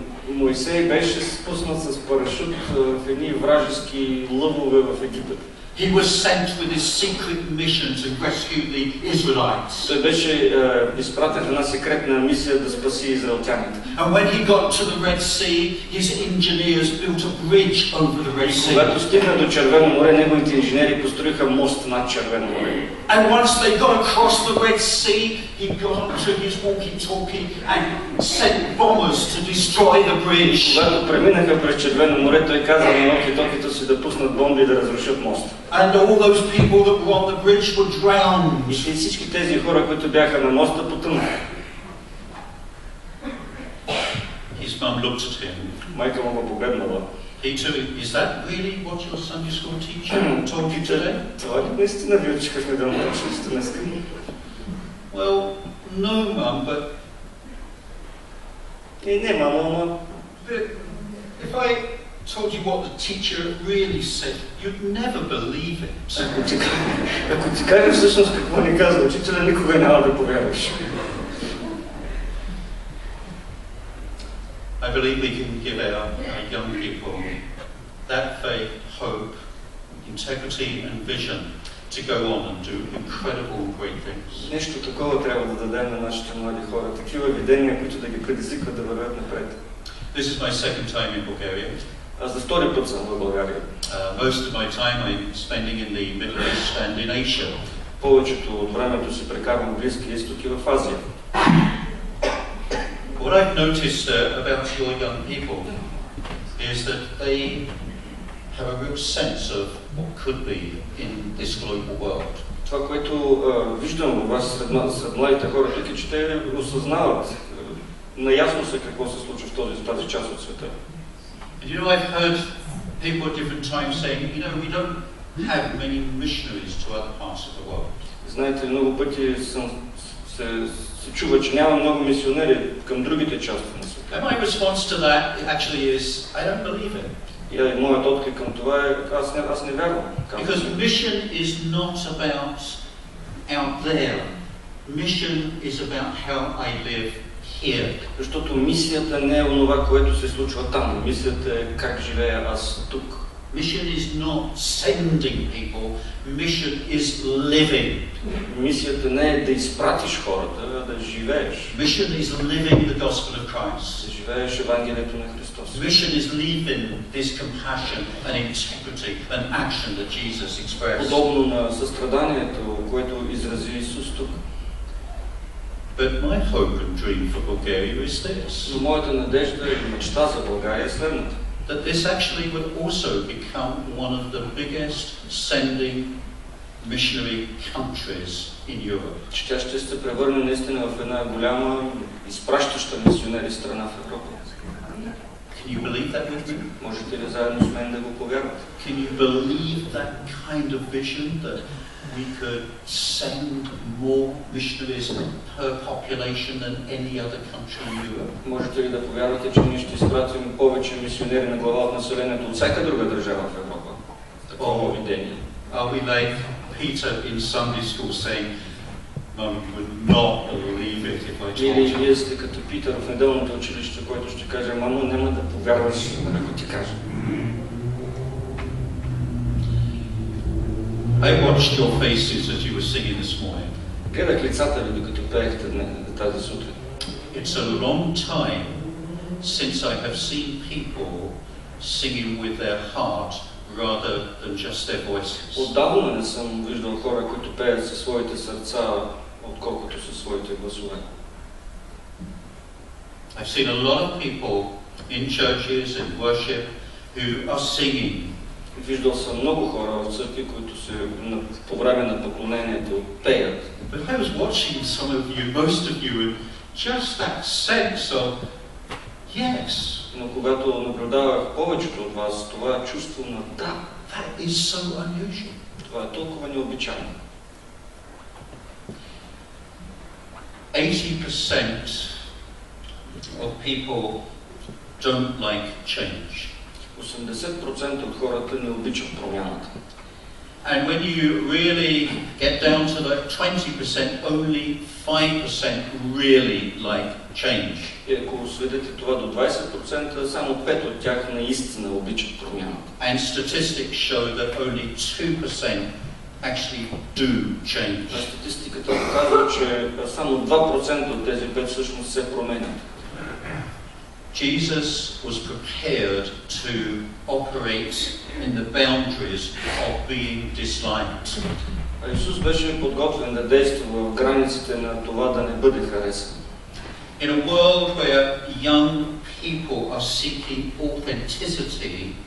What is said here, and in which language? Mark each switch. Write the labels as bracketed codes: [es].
[bg] Моисей беше спуснат с парашут в едни вражески лъвове в Египет. [en] He was sent with a secret mission to rescue the Israelites. [bg] Той беше изпратен на секретна мисия да спаси израелтяните. [en] And when he got to the Red Sea, his engineers built a bridge over the Red Sea. [bg] Когато стигна до Червено море, неговите инженери построиха мост над Червено море. [en] And once they got across the Red Sea, he got onto his walkie-talkie and sent bombers to destroy the bridge. [bg] Когато преминаха през Червено море, той каза на walkie-talkie-то си да пуснат бомби и да разрушат моста. [en] And all those people that were on the bridge were drowned. [bg] И всички тези хора, които бяха на моста, потънаха. [en] His mom looked at him. [bg] Майка му го погледнала. [en] Peter, is that really what your Sunday school teacher told you today? [bg] Това ли наистина ви очакахме да научим с днес? [en] Well, no, mom, but... [bg] Не, мамо, но... [en] If I told you what the teacher really said, you'd never believe it. [bg] Ако ти кажа всъщност какво ни казва учителя, никога няма да повярваш. [en] I believe we can give our young people that faith, hope, integrity and vision to go on and do incredible great things. [bg] Нещо такова трябва да дадем на нашите млади хора, такива видения, които да ги предизвикват да вървят напред. [en] This is my second time in Bulgaria. [bg] Аз за втори път съм в България. [en] Most of my time I'm spending in the Middle East and in Asia. [bg] Повечето от времето си прекарвам в Близкия изток и в Азия. [en] What I've noticed about your young people is that they have a real sense of what could be in this global world. [bg] Това, което виждам във вас сред младите хора тук, че те осъзнават, наясно са какво се случва в тази част от света. [en] And you know, I've heard people at different times saying, you know, we don't have many missionaries to other parts of the world. [bg] Знаете, много пъти съм се чува, че няма много мисионери към другите части на света. [en] My response to that actually is, I don't believe it. [bg] Yeah, моят отклик към това е, аз не вярвам. [en] Because mission is not about out there. Mission is about how I live here. [bg] Защото мисията не е онова, което се случва там. Мисията е как живея аз тук. [en] Mission is not sending people, mission is living. [bg] Мисията не е да изпратиш хората, а да живееш. [en] Mission is living the gospel of Christ. [bg] Да живееш Евангелието на Христос. [en] Mission is living this compassion and integrity and action that Jesus expressed. [bg] Подобно на състраданието, което изрази Исус тук. [en] But my hope and dream for Bulgaria is this. [bg] Но моята надежда и мечта за България е следната. [en] That this actually would also become one of the biggest sending missionary countries in Europe. [bg] Че тя ще се превърне наистина в една голяма изпращаща мисионери страна в Европа. [en] Can you believe that with me? [bg] Можете ли заедно с мен да го повярвате? [en] Can you believe that kind of vision that we could send more missionaries per population than any other country in Europe? [bg] Можете ли да повярвате, че ние ще изпратим повече мисионери на глава от населението от всяка друга държава в Европа? Такова видение. [en] Are we like Peter in Sunday school saying, Mom, you would not believe it if I told you. [bg] Или вие сте като Питър в неделното училище, който ще каже, мамо, няма да повярваш, ако ти кажа. [en] I watched your faces as you were singing this morning. [bg] Гледах лицата ви, докато пеехте тази сутрин. [en] It's a long time since I have seen people singing with their heart rather than just their voices. [bg] Отдавна не съм виждал хора, които пеят със своите сърца, отколкото със своите гласове. [en] I've seen a lot of people in churches and worship who are singing. [bg] Виждал съм много хора в църкви, които се по време на поклонението пеят. [en] But I was watching some of you, most of you, and Just that sense of yes. [bg] Но когато наблюдавах повечето от вас, това чувство на да. [en] That is so unusual. [bg] Това е толкова необичайно. [en] 80% of people don't like change. [bg] 80% от хората не обичат промяната. [en] And when you really get down to that 20%, only 5% really like change. [bg] И ако сведете това до 20%, само 5 от тях наистина обичат промяната. [en] And statistics show that only 2% actually do change. [bg] А статистиката показва, че само 2% от тези 5 всъщност се променят. [en] Jesus was prepared to operate in the boundaries of being disliked. [bg] Исус беше подготвен да действа в границите на това да не бъде харесан. [en] In a world where young people are seeking authenticity,